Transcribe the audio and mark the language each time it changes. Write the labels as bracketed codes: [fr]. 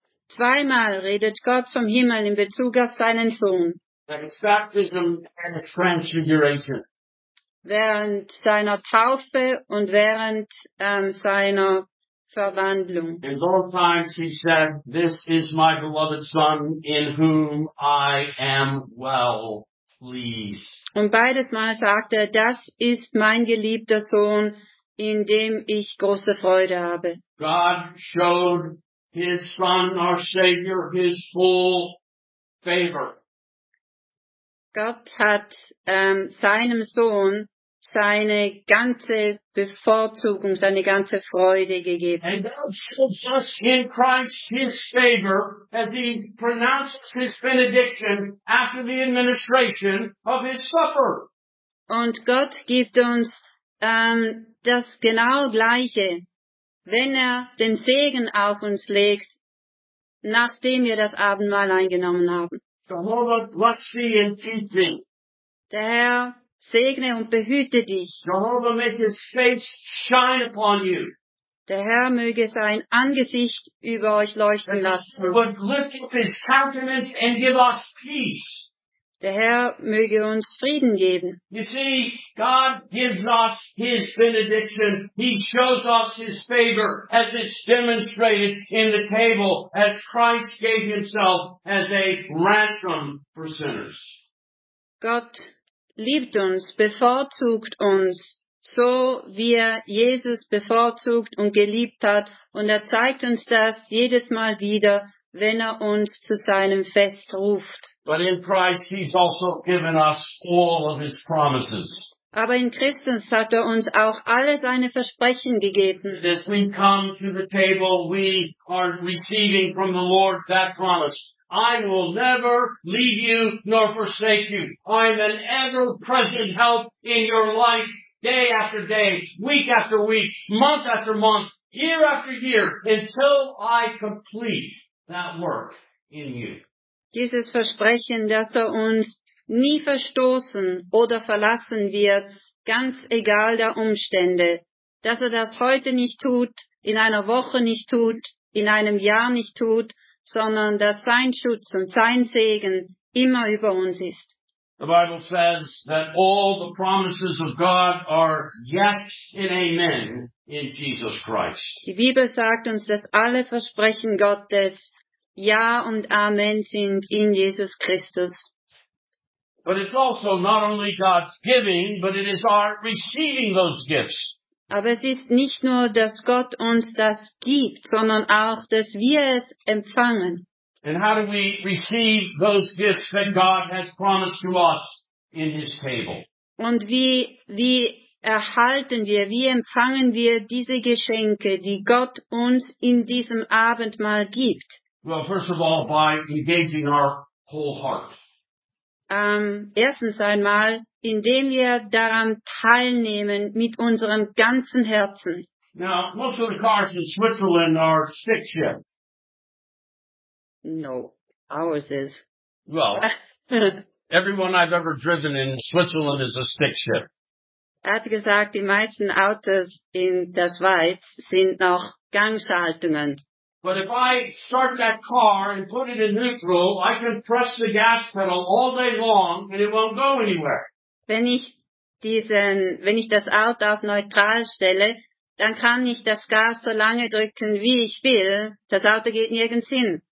[de] Zweimal redet Gott vom Himmel in Bezug auf seinen Sohn. [en] That is baptism and his transfiguration. [de] Während seiner Taufe und während seiner Verwandlung. [en] In all times he said, this is my beloved son in whom I am well pleased. [de] Und beides Mal sagte er, das ist mein geliebter Sohn, in dem ich große Freude habe. [en] God showed his son, our Savior, his full favor. [de] Gott hat seinem Sohn seine ganze Bevorzugung, seine ganze Freude gegeben. [en] And God shows us in Christ his favor as he pronounces his benediction after the administration of his supper. [de] Und Gott gibt uns das genau Gleiche, wenn er den Segen auf uns legt, nachdem wir das Abendmahl eingenommen haben. [en] Jehovah bless thee and keep thee. [de] Der Herr segne und behüte dich. [en] Jehovah make his face shine upon you. [de] Der Herr möge sein Angesicht über euch leuchten lassen. [en] Would lift up his countenance and give us peace. [de] Der Herr möge uns Frieden geben. [en] You see, God gives us his benediction. He shows us his favor as it's demonstrated in the table as Christ gave himself as a ransom for sinners. [de] Gott liebt uns, bevorzugt uns, so wie er Jesus bevorzugt und geliebt hat. Und er zeigt uns das jedes Mal wieder, wenn er uns zu seinem Fest ruft. [en] But in Christ, he's also given us all of his promises. [de] Aber in Christus hat er uns auch alle seine Versprechen gegeben. [en] As we come to the table, we are receiving from the Lord that promise. I will never leave you nor forsake you. I am an ever-present help in your life, day after day, week after week, month after month, year after year, until I complete that work in you. [de] Dieses Versprechen, dass er uns nie verstoßen oder verlassen wird, ganz egal der Umstände, dass er das heute nicht tut, in einer Woche nicht tut, in einem Jahr nicht tut, sondern dass sein Schutz und sein Segen immer über uns ist. [en] The Bible says that all the promises of God are yes and amen in Jesus Christ. [de] Die Bibel sagt uns, dass alle Versprechen Gottes ja und Amen sind in Jesus Christus. [en] But it's also not only God's giving, but it is our receiving those gifts. [de] Aber es ist nicht nur, dass Gott uns das gibt, sondern auch, dass wir es empfangen. [en] And how do we receive those gifts that God has promised to us in his table? [de] Und wie erhalten wir, wie empfangen wir diese Geschenke, die Gott uns in diesem Abendmahl gibt? [en] Well, first of all, by engaging our whole heart. [de] Erstens einmal, indem wir daran teilnehmen mit unserem ganzen Herzen. [en] Now, most of the cars in Switzerland are stick shift. No, ours is. Well, everyone I've ever driven in Switzerland is a stick shift. [de] Hat gesagt, die meisten Autos in der Schweiz sind noch Gangschaltungen. But if I start that car and put it in neutral, I can press the gas pedal all day long and it won't go anywhere. Wenn ich das Auto auf neutral stelle, dann kann ich das Gas so lange drücken, wie ich will. Das Auto geht nirgends hin.